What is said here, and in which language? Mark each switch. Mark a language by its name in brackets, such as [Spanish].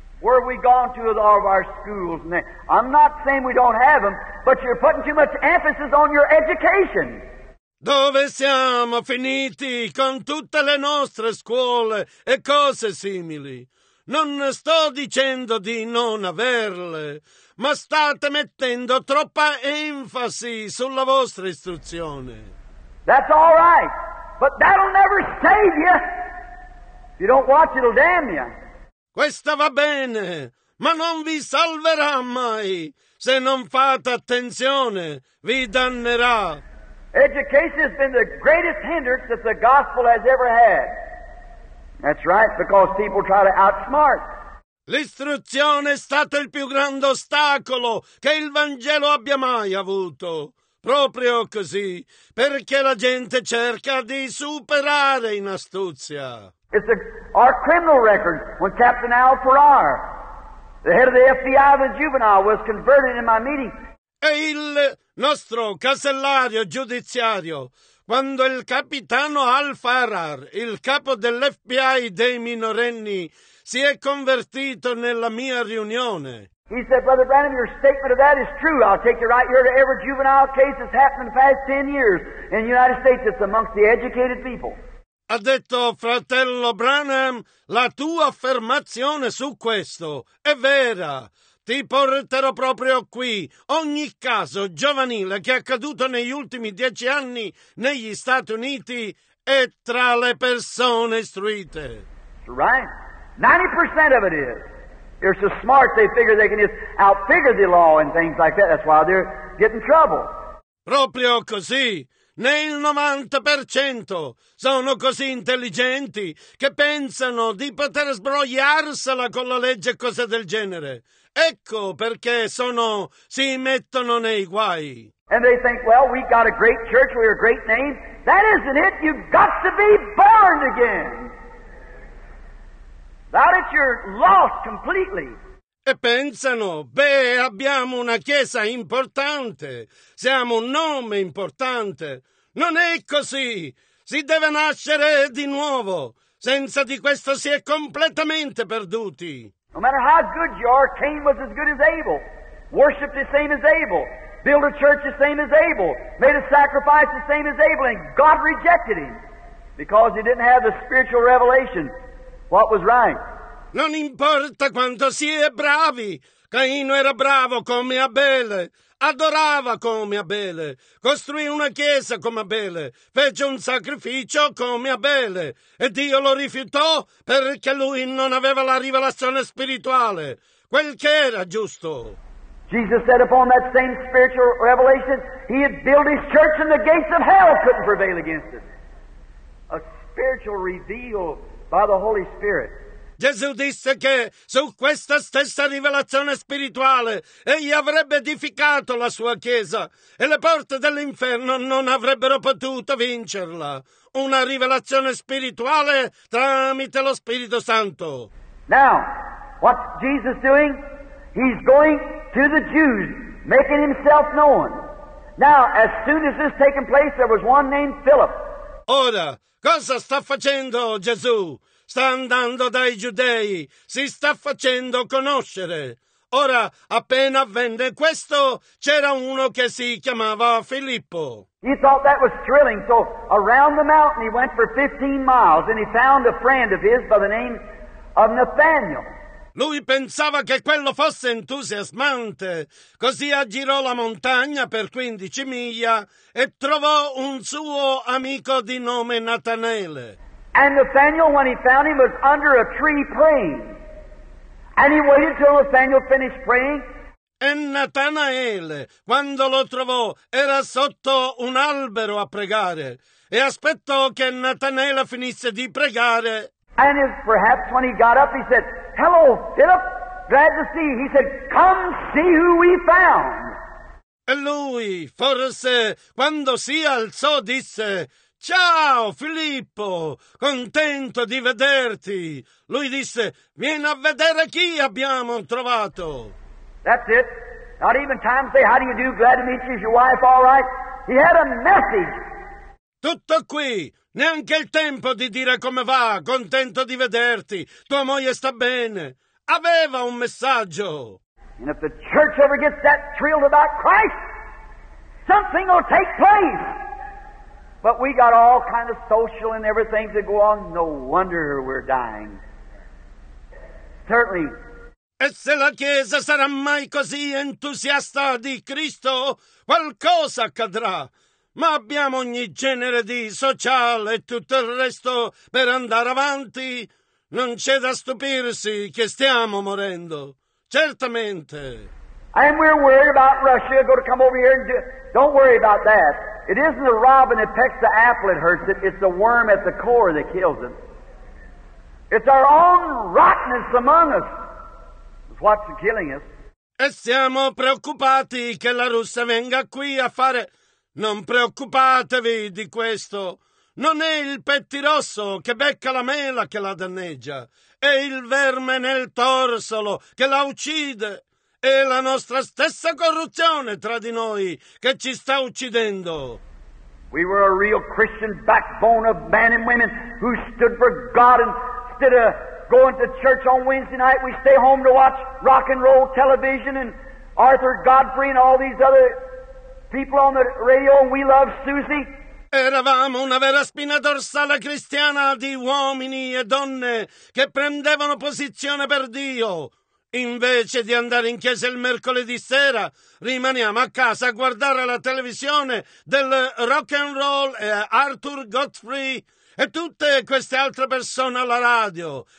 [English] Where we gone to with all of our schools? I'm not saying we don't have them, but you're putting too much emphasis on your education. [Italian] Dove siamo finiti con tutte le nostre scuole e cose simili? Non sto dicendo di non averle, ma state mettendo troppa enfasi sulla vostra istruzione. [English] That's all right, but that'll never save you. If you don't watch, it'll damn you. [Italian] Questa va bene, ma non vi salverà mai. Se non fate attenzione, vi dannerà. [English] Education has been the greatest hindrance that the gospel has ever had. That's right, because people try to outsmart. [Italian] L'istruzione è stato il più grande ostacolo che il Vangelo abbia mai avuto. proprio così, perché la gente cerca di superare in astuzia. [English] It's our criminal record when Captain Al Farrar, the head of the FBI of the juvenile, was converted in my meeting. [Italian] È il nostro casellario giudiziario. Quando il capitano Al Farrar, il capo dell'FBI dei minorenni, si è convertito nella mia riunione. [English] He said, Brother Branham, your statement of that is true. I'll take you right here to every juvenile case that's happened in the past 10 years in the United States that's amongst the educated people. [Italian] Ha detto, fratello Branham, la tua affermazione su questo è vera. Ti porterò proprio qui ogni caso giovanile che è accaduto negli ultimi 10 anni negli Stati Uniti e tra le persone istruite. [English] Right. 90% of it is. They're so smart they figure they can just outfigure the law and things like that. That's why they're getting in trouble. [Italian] Proprio così. Nel 90% sono così intelligenti che pensano di poter sbrogliarsela con la legge e cose del genere. Ecco perché sono si mettono nei guai. [English] And they think, well, we got a great church, we're a great name. That isn't it. You've got to be born again. Without it, you're lost completely. [Italian] E pensano, beh, abbiamo una chiesa importante, siamo un nome importante. Non è così, si deve nascere di nuovo, senza di questo si è completamente perduti. [English] No matter how good you are, Cain was as good as Abel, worshipped the same as Abel, built a church the same as Abel, made a sacrifice the same as Abel, and God rejected him, because he didn't have the spiritual revelation, what was right. [Italian] Non importa quanto si è bravi, Caino era bravo come Abele, adorava come Abele, costruì una chiesa come Abele, fece un sacrificio come Abele, e Dio lo rifiutò perché lui non aveva la rivelazione spirituale, quel che era giusto. [English] Jesus said upon that same spiritual revelation, he had built his church and the gates of hell couldn't prevail against it. A spiritual reveal by the Holy Spirit. [Italian] Gesù disse che su questa stessa rivelazione spirituale egli avrebbe edificato la sua chiesa e le porte dell'inferno non avrebbero potuto vincerla. Una rivelazione spirituale tramite lo Spirito Santo. [English] Now, what's Jesus doing? He's going to the Jews, making himself known. Now, as soon as this taken place, there was one named Philip. [Italian] Ora, cosa sta facendo Gesù? Sta andando dai giudei, si sta facendo conoscere. Ora, appena avvenne questo, c'era uno che si chiamava Filippo. [English] He thought that was thrilling, so around the mountain he went for 15 miles and he found a friend of his by the name of Nathaniel. [Italian] Lui pensava che quello fosse entusiasmante, così aggirò la montagna per 15 miglia e trovò un suo amico di nome Natanele. [English] And Nathanael, when he found him, was under a tree praying. And he waited until Nathanael finished praying. [Italian] E Natanaele, quando lo trovò, era sotto un albero a pregare. E aspettò che Natanaele finisse di pregare. [English] And perhaps when he got up, he said, Hello, Philip, glad to see you. He said, Come see who we found. [Italian] E lui, forse, quando si alzò, disse, Ciao, Filippo, contento di vederti. Lui disse, vieni a vedere chi abbiamo trovato. [English] That's it. Not even time to say, how do you do, glad to meet you, is your wife all right? He had a message. [Italian] Tutto qui. Neanche il tempo di dire come va, contento di vederti. Tua moglie sta bene. Aveva un messaggio. [English] And if the church ever gets that thrilled about Christ, something will take place. But we got all kind of social and everything to go on. No wonder we're dying. Certainly. [Italian] E se la Chiesa sarà mai così entusiasta di Cristo, qualcosa accadrà. Ma abbiamo ogni genere di sociale e tutto il resto per andare avanti. Non c'è da stupirsi che stiamo morendo. Certamente. [English] And we're worried about Russia. Go to come over here and do... Don't worry about that. It isn't the robin that pecks the apple that hurts it. It's the worm at the core that kills it. It's our own rottenness among us. It's what's killing us. [Italian] E siamo preoccupati che la Russia venga qui a fare... Non preoccupatevi di questo. Non è il pettirosso che becca la mela che la danneggia. È il verme nel torsolo che la uccide. È la nostra stessa corruzione tra di noi che ci sta uccidendo. [English] We were a real Christian backbone of men and women who stood for God, and instead of going to church on Wednesday night, we stay home to watch rock and roll television and Arthur Godfrey and all these other people on the radio, and we love Susie. [Italian] Eravamo una vera spina dorsale cristiana di uomini e donne che prendevano posizione per Dio. Invece di andare in chiesa il mercoledì sera, rimaniamo a casa a guardare la televisione del rock and roll e Arthur Godfrey e tutte queste altre persone alla radio.